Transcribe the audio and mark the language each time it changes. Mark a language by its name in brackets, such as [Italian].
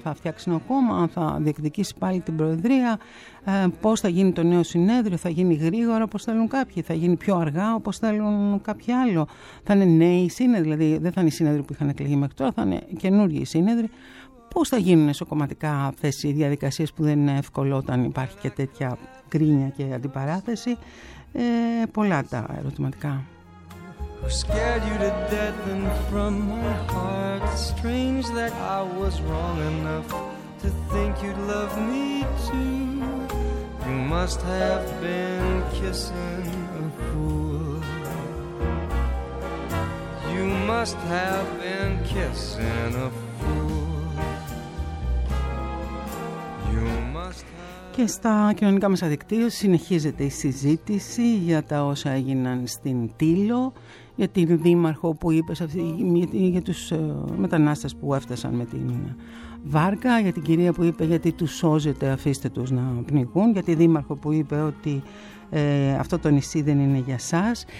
[Greek] Θα φτιάξει ένα κόμμα, αν θα διεκδικήσει πάλι την προεδρία. Πώς θα γίνει το νέο συνέδριο, θα γίνει γρήγορα όπως θέλουν κάποιοι, θα γίνει πιο αργά όπως θέλουν κάποιοι άλλοι. Θα είναι νέοι σύνεδροι, δηλαδή δεν θα είναι οι σύνεδροι που είχαν εκλεγεί μέχρι τώρα, θα είναι καινούργιοι σύνεδροι. Πώς θα γίνουν εσωκομματικά αυτές οι διαδικασίες που δεν είναι εύκολο όταν υπάρχει και τέτοια γκρίνια και αντιπαράθεση. Πολλά τα ερωτηματικά. [English] Who scared you to death, and from my heart, strange that I was wrong enough to think you'd love me too. You must have been kissing a fool. You must have been kissing a fool. You must have. [Greek] Και στα κοινωνικά μέσα δικτύου συνεχίζεται η συζήτηση για τα όσα έγιναν στην Τήλο, για την δήμαρχο που είπες, για τους μετανάστες που έφτασαν με την βάρκα, για την κυρία που είπε γιατί τους σώζεται, αφήστε τους να πνιγούν, για την δήμαρχο που είπε ότι αυτό το νησί δεν είναι για σας.